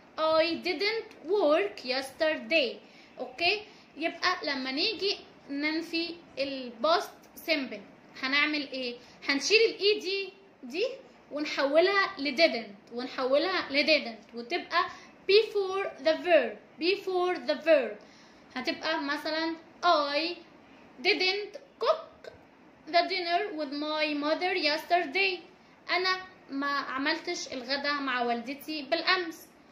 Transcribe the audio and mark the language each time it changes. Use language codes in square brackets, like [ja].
[en] I didn't work yesterday. [ar] اوكي، يبقى لما نيجي ننفي الباست سيمبل هنعمل ايه؟ هنشيل الاي دي دي ونحولها لديدنت، ونحولها لديدنت، وتبقى [en] before the verb. before the verb [ar] هتبقى مثلا [en] I didn't cook the dinner with my mother yesterday. [ar] انا ما عملتش الغداء مع والدتي بالامس.